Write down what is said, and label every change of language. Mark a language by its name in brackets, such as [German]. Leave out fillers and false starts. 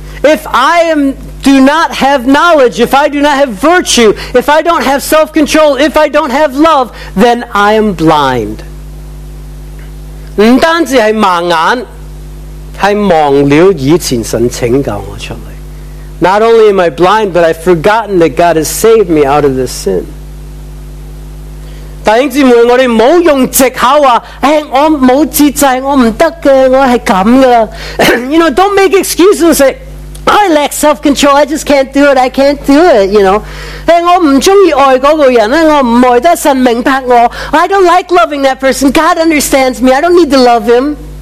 [English] If I am do not have knowledge, if I do not have virtue, if I don't have self-control, if I don't have love, then I am blind. [Chinese] 不单是盲眼，是忘了以前神拯救我出来。 [English] Not only am I blind, but I've forgotten that God has saved me out of this sin. [Chinese] 弟兄姊妹，我们不要用藉口说，我没有节制，我不行的，我是这样的。 [English] You know, don't make excuses and say, I lack self-control, I just can't do it, you know. [Chinese] 但我不喜欢爱那个人，我不爱得神明白我。 [English] I don't like loving that person, God understands me, I don't need to love him.